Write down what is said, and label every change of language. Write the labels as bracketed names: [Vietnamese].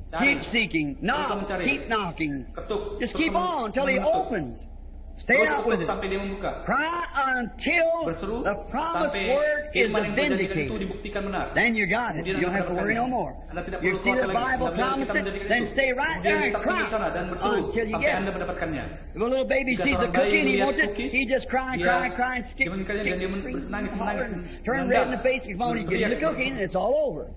[English] Keep seeking. Knock. Keep knocking. [Indonesian] Ketuk. [English] Just keep on until he opens. Stay [Indonesian] terus tutup sampai dia membuka. [English] Cry until [Indonesian] berseru [English] the promised word is vindicated. [Indonesian] Itu dibuktikan benar. [English] Then you got it. You don't have to worry no more. You see the Bible promised it. Then stay right there and cry [Indonesian] dan berseru sampai Anda mendapatkannya. [English] If a little baby sees a cookie and he wants it, he just cry and skip. [Indonesian] Dia menangis. [English] Turn red in the face, he's going to get the cookie and it's all over.